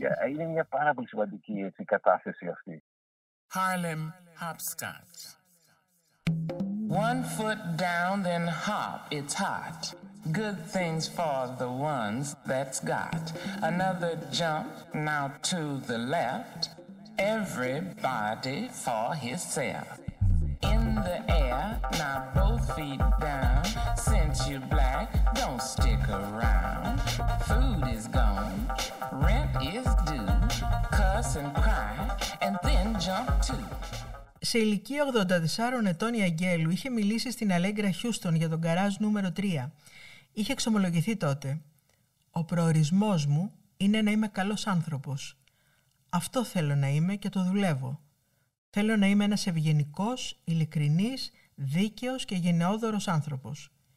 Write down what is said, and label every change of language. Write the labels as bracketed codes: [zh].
[el] Είναι μια πάρα πολύ σημαντική κατάθεση αυτή. [en] Harlem Hopscotch. One foot down, then hop, it's hot. Good things for the ones that's got. Another jump, now to the left. Everybody for himself. In the air, now both feet down. Since you're black, don't stick around. Food is gone, rent is due. Cuss and cry, and then jump too. [el] Σε ηλικία 84 ετών, η Αγγέλου είχε μιλήσει στην Αλέγκρα Χιούστον για τον γκαράζ νούμερο 3. Είχε εξομολογηθεί τότε. «Ο προορισμός μου είναι να είμαι καλός άνθρωπος. Αυτό θέλω να είμαι και το δουλεύω. Θέλω να είμαι ένας ευγενικός, ειλικρινής, δίκαιος και γενναιόδωρος άνθρωπος.